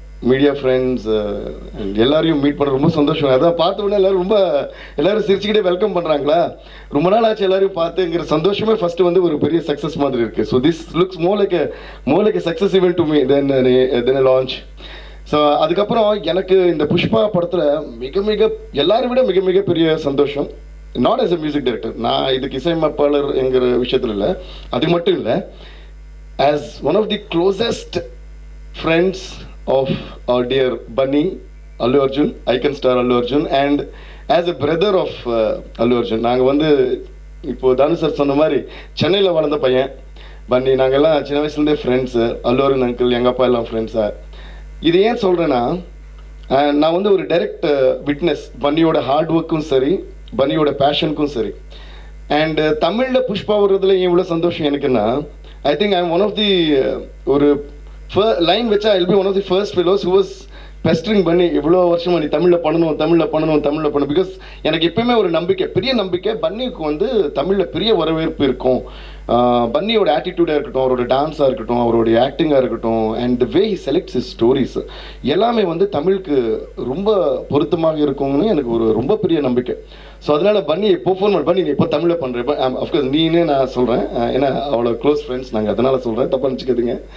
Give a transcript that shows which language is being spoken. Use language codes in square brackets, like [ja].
[ta] Media friends எல்லாரையும் meet பண்ண ரொம்ப சந்தோஷம். அதான் பார்த்த உடனே எல்லாரும் ரொம்ப எல்லாரும் சிரிச்சுக்கிட்டே வெல்கம் பண்றாங்களா. ரொம்ப நாள் ஆச்சு எல்லாரையும் பார்த்துங்கிற சந்தோஷமே ஃபர்ஸ்ட் வந்து ஒரு பெரிய சக்சஸ் மாதிரி இருக்கு. [en] So this looks more like success event to me then launch. [ta] So அதுக்கப்புறம் எனக்கு இந்த புஷ்பா படத்தில் மிக எல்லாரும் விட மிக பெரிய சந்தோஷம், not as a music director, நான் இதுக்கு இசையமைப்பாளர் என்கிற விஷயத்தில் இல்லை, அது மட்டும் இல்லை, as one of the closest friends of our dear Bunny Allu Arjun, icon star Allu Arjun, and as a brother of Allu Arjun, naanga vande ipo Danu sir sonna mari Chennai la valandha paiyan Bunny, naanga ella chinna vayasula irundhe friends, Allu Arjun uncle enga appa ella friends ah. Idu yen solrena, na vande oru direct witness Bunny oda hard work kum sari Bunny oda passion kum sari, and Tamil la Pushpa varadhula evlo sandosham enakku na, I think I am one of the oru line வச்சா இல் B one of the first fellows who was பெஸ்டரிங் பண்ணி இவ்வளோ வருஷமா நீ தமிழில் பண்ணணும் because எனக்கு எப்பயுமே ஒரு நம்பிக்கை, பெரிய நம்பிக்கை பன்னிக்கு வந்து தமிழில் பெரிய வரவேற்பு இருக்கும். பன்னியோட ஆட்டிடியூடாக இருக்கட்டும், அவரோட டான்ஸாக இருக்கட்டும், அவரோட ஆக்டிங்காக இருக்கட்டும், and the way he selects his stories எல்லாமே வந்து தமிழுக்கு ரொம்ப பொருத்தமாக இருக்கும்னு எனக்கு ஒரு ரொம்ப பெரிய நம்பிக்கை. ஸோ அதனால் பன்னியை பெர்ஃபார்மன் பண்ணி நீ இப்போ தமிழில் பண்ணுறேன், அஃப்கோர்ஸ் நீனே நான் சொல்கிறேன், ஏன்னா அவ்வளோ க்ளோஸ் ஃப்ரெண்ட்ஸ் நாங்கள், அதனால் சொல்கிறேன், தப்பாக நினச்சிக்கிறதுங்க.